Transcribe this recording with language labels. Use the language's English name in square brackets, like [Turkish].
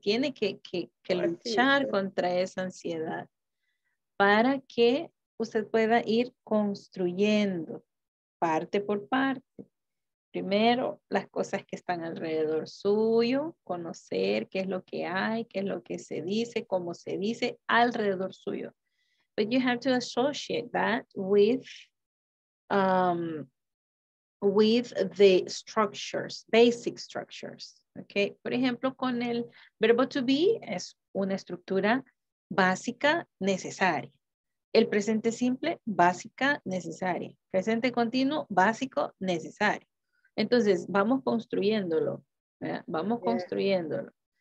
[Spanish] Tiene que luchar contra esa ansiedad para que usted pueda ir construyendo parte por parte. Primero, las cosas que están alrededor suyo, conocer qué es lo que hay, qué es lo que se dice, cómo se dice alrededor suyo. [English] But you have to associate that with the structures, basic structures. Okay? [Spanish] Por ejemplo, con el verbo to be es una estructura básica necesaria. El presente simple, básica necesaria. Presente continuo, básico necesario. Entonces, vamos construyéndolo, ¿verdad? Vamos construyéndolo.